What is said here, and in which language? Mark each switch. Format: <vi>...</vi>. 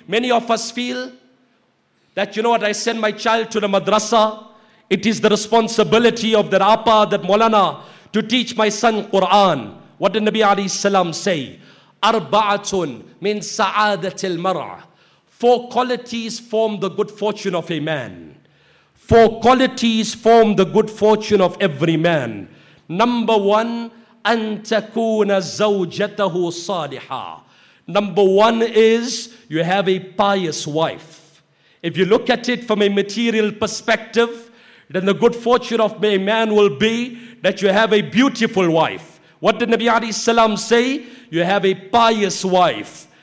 <en>Many of us feel that, you know what, I send my child to the madrasa, it is the responsibility of that apa, that molana, to teach my son Quran. What did Nabi alayhi salam say?</en> <ar>Arba'atun min sa'adatil mar'a.</ar> <en>Four qualities form the good fortune of a man. Four qualities form the good fortune of every man. Number one,</en> <ar>أن تكون زوجته صالحة.</ar> <en>Number one is, you have a pious wife. If you look at it from a material perspective, then the good fortune of a man will be that you have a beautiful wife. What did Nabi alayhi salam say? You have a pious wife.</en>